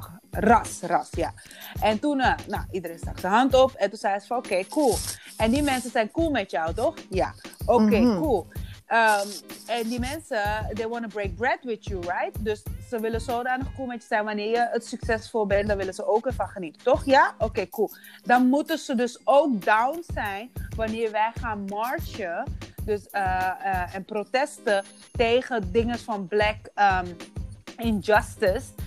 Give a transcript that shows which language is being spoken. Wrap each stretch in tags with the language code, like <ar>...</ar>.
<nl>ras, ja. En toen, iedereen stak zijn hand op. En toen zei ze van, oké, cool. En die mensen zijn cool met jou, toch? Ja, oké, cool. En die mensen,</nl> <en>they want to break bread with you, right?</en> <nl>Dus ze willen zodanig cool met je zijn. Wanneer je het succesvol bent, dan willen ze ook ervan genieten, toch? Ja, oké, cool. Dan moeten ze dus ook down zijn wanneer wij gaan marchen. Dus, en protesten tegen dingen van black... injustice.</nl>